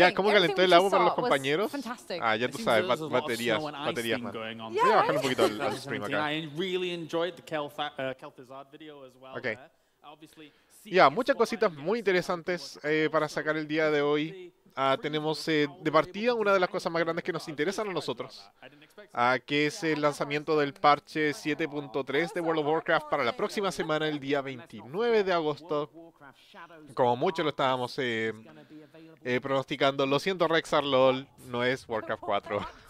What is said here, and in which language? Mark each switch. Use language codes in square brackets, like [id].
[es] Ya, ¿cómo calentó el agua para los compañeros? [en] Fantastic. [es] Ah, ya tú sabes, baterías, man. [en] Yeah, [es] voy a bajar un poquito al stream acá. [en] I really enjoyed the Kel'Thuzad video as well. Okay. Obviously. [es] Ya, muchas cositas muy interesantes para sacar el día de hoy. Tenemos de partida una de las cosas más grandes que nos interesan a nosotros, que es el lanzamiento del parche 7.3 de World of Warcraft para la próxima semana, el día 29 de agosto, como mucho lo estábamos pronosticando. Lo siento, Rexar, LOL, no es Warcraft 4.